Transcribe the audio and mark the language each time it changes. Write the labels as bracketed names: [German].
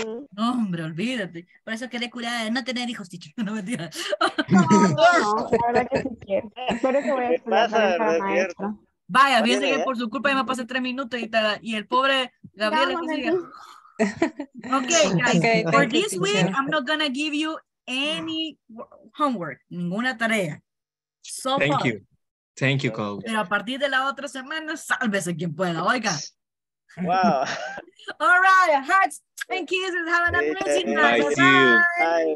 [Spanish] No, hombre, olvídate. Por eso quedé curada de no tener hijos, teacher. No, mentira. No, pero ahora que sí quiero. Por eso voy a estudiar para maestro. Vaya, fíjense que por su culpa ya me pasé tres minutos y el pobre Gabriel le consigue. [English] Okay, guys. Okay, for this week, I'm not gonna give you any homework, [Spanish] ninguna tarea. [English] So thank far. You, thank you, coach. [Spanish] Pero a partir de la otra semana, sálvese quien pueda. Oiga. [English] Wow. All right, hugs and kisses. Have an amazing night.